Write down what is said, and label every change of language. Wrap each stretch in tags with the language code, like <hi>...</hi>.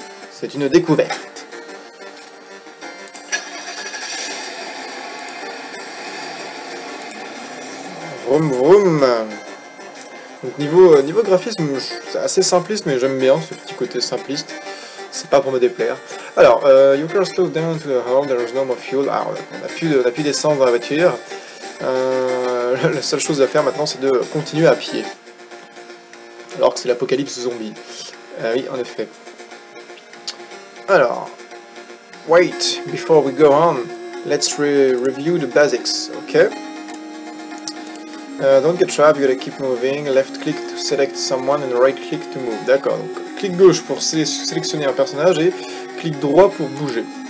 <fr>C'est une découverte. Vroom vroom. Donc niveau graphisme, c'est assez simpliste, mais j'aime bien ce petit côté simpliste. C'est pas pour me déplaire.</fr> <en>Alors, you can slow down to the hall, there is no more fuel.</en> <fr>Alors, on a plus d'essence dans la voiture. La seule chose à faire maintenant, c'est de continuer à pied. Alors que c'est l'apocalypse zombie. Oui, en effet. Alors,</fr> <en>wait, before we go on, let's review the basics, ok? Don't get trapped, you gotta keep moving. Left click to select someone and right click to move.</en> <fr>D'accord, donc clic gauche pour sélectionner un personnage et clic droit pour bouger.</fr>